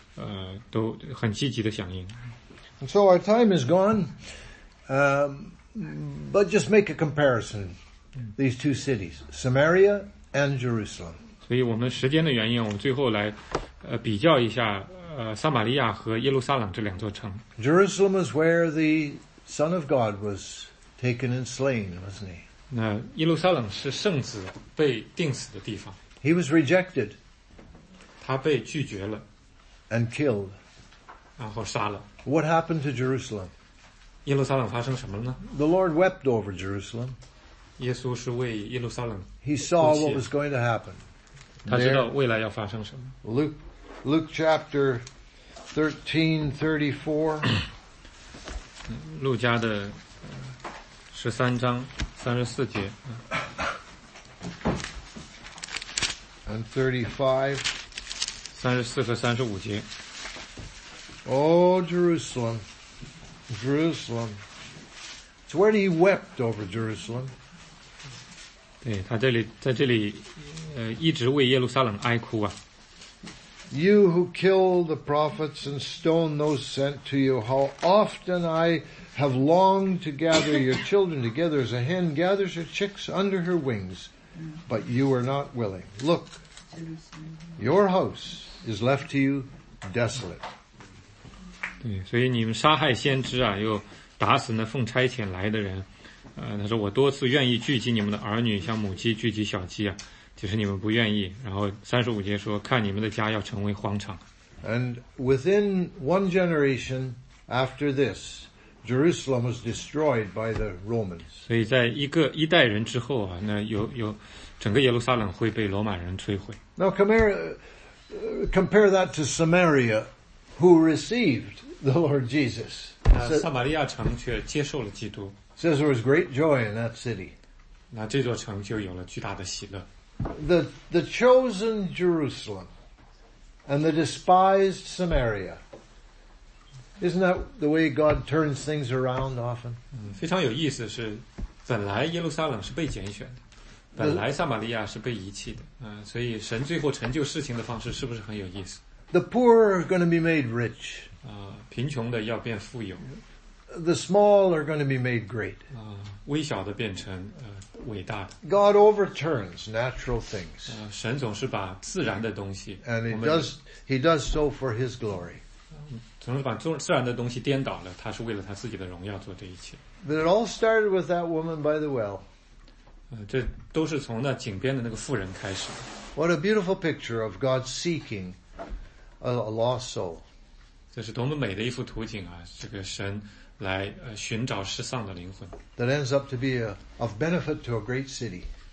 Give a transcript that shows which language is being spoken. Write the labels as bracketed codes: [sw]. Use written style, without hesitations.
[zh] 所以你会看见整个城的人其实都已经预备好了哈，所以圣灵借着腓力的事情行出来以后，整个城的人都很积极的响应。 [en] And so our time is gone. But just make a comparison, these two cities, Samaria and Jerusalem. [zh] 所以我们时间的原因，我们最后来比较一下撒玛利亚和耶路撒冷这两座城。 [en] Jerusalem is where the Son of God was taken and slain, wasn't he? [zh] 那耶路撒冷是圣子被钉死的地方。 [en] He was rejected. [zh] 他被拒绝了。 [en] And killed. [zh] 然后杀了。 [en] What happened to Jerusalem? [zh] 耶路撒冷发生什么呢? [en] The Lord wept over Jerusalem. [zh] 耶稣是为耶路撒冷哭泣。 [en] He saw what was going to happen. [zh] 他知道未来要发生什么。 [en] Luke chapter 13:34. [zh] 路加的十三章三十四节。 [en] And 35. [zh] 34和35节。 [en] Oh, Jerusalem. Jerusalem. It's where he wept over Jerusalem. [zh] 对，他这里，在这里，一直为耶路撒冷哀哭啊。 [en] You who kill the prophets and stone those sent to you, how often I have longed to gather your children together as a hen gathers her chicks under her wings, but you are not willing. Look, your house is left to you desolate. [zh] 对，所以你们杀害先知啊，又打死那奉差遣来的人。他说我多次愿意聚集你们的儿女，像母鸡聚集小鸡啊。就是你们不愿意，然后三十五节说，看你们的家要成为荒场。 [en] And within one generation after this, Jerusalem was destroyed by the Romans. [zh] 所以在一代人之后啊，那有整个耶路撒冷会被罗马人摧毁。 [en] Now compare that to Samaria, who received the Lord Jesus. [zh] 撒玛利亚城却接受了基督。 [en] Says there was great joy in that city. [zh] 那这座城就有了巨大的喜乐。 [en] The chosen Jerusalem and the despised Samaria. Isn't that the way God turns things around often? [zh] 非常有意思是，本来耶路撒冷是被拣选的，本来撒玛利亚是被遗弃的，所以神最后成就事情的方式是不是很有意思？ [en] The poor are going to be made rich. [zh] 贫穷的要变富有。 [en] The small are going to be made great. [zh] 微小的变成伟大的。 [en] God overturns natural things. [zh] 神总是把自然的东西。 [en] And he does so for his glory. [zh] 总是把自然的东西颠倒了，他是为了他自己的荣耀做这一切。 [en] But it all started with that woman by the well. [zh] 这都是从那井边的那个妇人开始。 [en] What a beautiful picture of God seeking a lost soul. [zh] 这是多么美的一幅图景啊，这个神。来寻找失丧的灵魂。 [en] That ends up to be of benefit to a great city.